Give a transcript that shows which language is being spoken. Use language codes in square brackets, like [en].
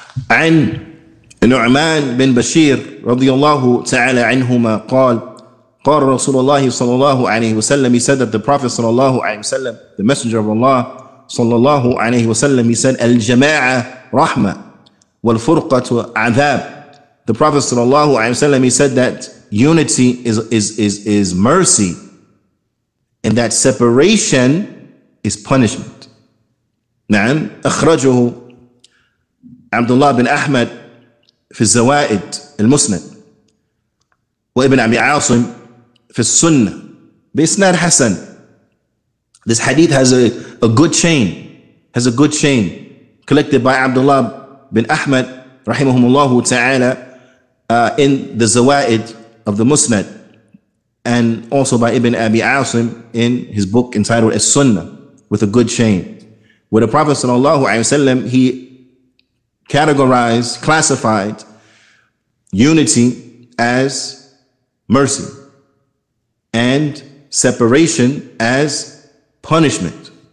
[en] And Nu'man bin Bashir radiyallahu ta'ala anhuma qal, qal Rasulullah sallallahu alayhi wa sallam, he said that the Prophet sallallahu alayhi wa sallam, the Messenger of Allah sallallahu alayhi wa sallam, he said, [ar] al-jama'a rahma wal-furqatu azab. [en] The Prophet sallallahu alayhi wa sallam, he said that unity is mercy and that separation is punishment. [ar] Na'am, akhrajuhu Abdullah bin Ahmad في الزوائد المسند وابن أبي عاصم في السنة بإسناد حسن. [en] This hadith has a good chain, has a good chain collected by Abdullah bin Ahmad رحمهم الله تعالى in the زوائد of the Musnad and also by Ibn Abi Asim in his book entitled As-Sunnah with a good chain, where the Prophet sallallahu alaihi wasallam, he categorized, classified unity as mercy and separation as punishment.